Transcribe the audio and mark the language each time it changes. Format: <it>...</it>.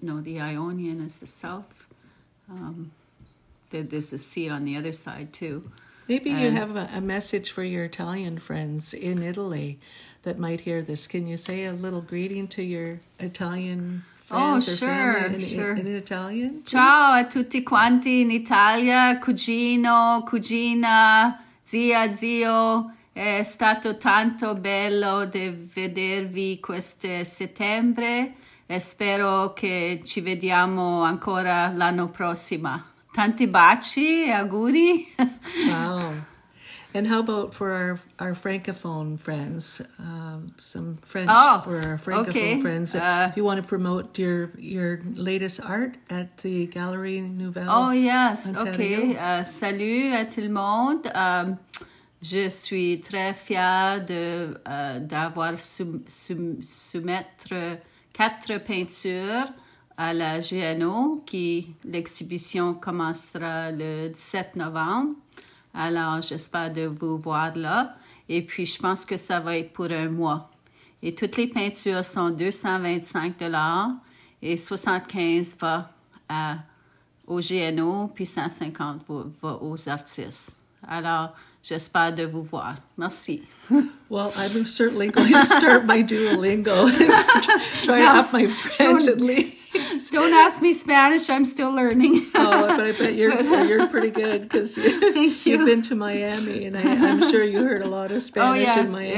<en>No, the Ionian is the south. There's a sea on the other side too. Maybe you have a message for your Italian friends in Italy that might hear this. Can you say a little greeting to your Italian in Italian? Please.</en> <it>Ciao a tutti quanti in Italia, cugino, cugina, zia, zio. È stato tanto bello di vedervi questo settembre e spero che ci vediamo ancora l'anno prossimo. Tanti baci e auguri.</it> <en>Wow. And how about for our Francophone friends, some French for our Francophone friends? If you want to promote your latest art at the Galerie Nouvelle? Oh, yes. Ontario.</en> <fr>Okay. Salut à tout le monde. Je suis très fière d'avoir soumettre quatre peintures à la GNO, qui l'exhibition commencera le 17 novembre. Alors, j'espère de vous voir là. Et puis, je pense que ça va être pour un mois. Et toutes les peintures sont 225 $ et 75 va au GNO, puis 150 va aux artistes. Alors, j'espère de vous voir. Merci.</fr> <en>Well, I'm certainly going to start my Duolingo. Try to up my French at least. Don't ask me Spanish. I'm still learning. Oh, but I bet you're pretty good because you've been to Miami, and I'm sure you heard a lot of Spanish in Miami.</en>